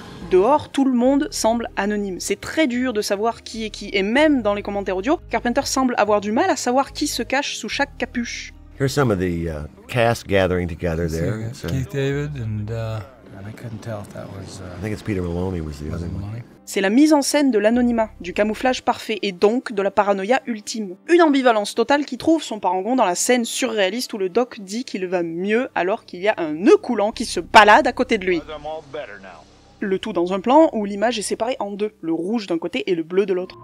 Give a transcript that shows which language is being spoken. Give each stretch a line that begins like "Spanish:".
French: Dehors, tout le monde semble anonyme. C'est très dur de savoir qui est qui, et même dans les commentaires audio, Carpenter semble avoir du mal à savoir qui se cache sous chaque capuche.
English: Here's some of the cast gathering together there. Keith David and I couldn't tell if that was. I think it's Peter Maloney was the other one.
French: C'est la mise en scène de l'anonymat, du camouflage parfait et donc de la paranoïa ultime. Une ambivalence totale qui trouve son parangon dans la scène surréaliste où le doc dit qu'il va mieux alors qu'il y a un nœud coulant qui se balade à côté de lui. Le tout dans un plan où l'image est séparée en deux, le rouge d'un côté et le bleu de l'autre.